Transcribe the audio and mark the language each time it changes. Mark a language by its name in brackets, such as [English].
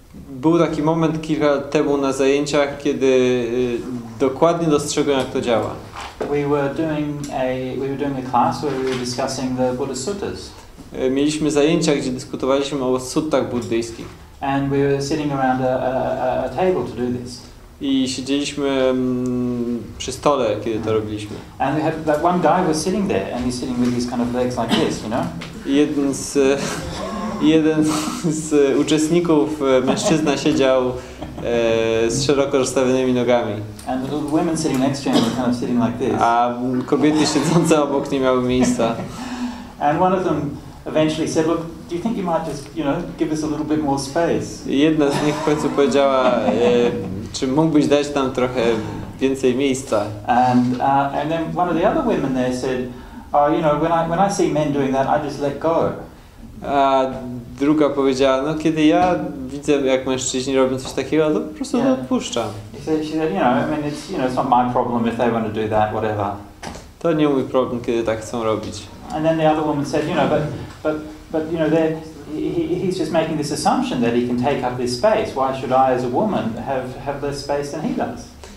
[Polish] Był taki moment kilka lat temu na zajęciach, kiedy dokładnie dostrzegłem, jak to działa. [English] We were doing a class where we were discussing the Buddha suttas. [Polish] Mieliśmy zajęcia, gdzie dyskutowaliśmy o suttach buddyjskich. [English] And we were sitting around a table to do this. [Polish] I siedzieliśmy przy stole, kiedy to robiliśmy. [English] And we had that one guy was sitting there and he's sitting with these kind of legs like this, you know? [Polish] Jeden z uczestników, mężczyzna, siedział z szeroko rozstawionymi nogami. [English] And the women sitting next to him were kind of sitting like this. [Polish] A kobiety siedzące obok nie miały miejsca. [English] And one of them eventually said, "Look, do you think you might just, you know, give us a little bit more space?" [Polish] Jedna z nich w końcu powiedziała, czy mógłbyś dać nam trochę więcej miejsca? [English] And then one of the other women there said, "Oh, you know, when I see men doing that, I just let go." [Polish] A druga powiedziała, no kiedy ja widzę, jak mężczyźni robią coś takiego, to po prostu to odpuszczam. [English] She said, you know, I mean, it's not my problem if they want to do that, whatever. [Polish] To nie mój problem, kiedy tak chcą robić. [English] And then the other woman said, you know, but you know, he's just making this assumption that he can take up this space. Why should I, as a woman, have less space than he does?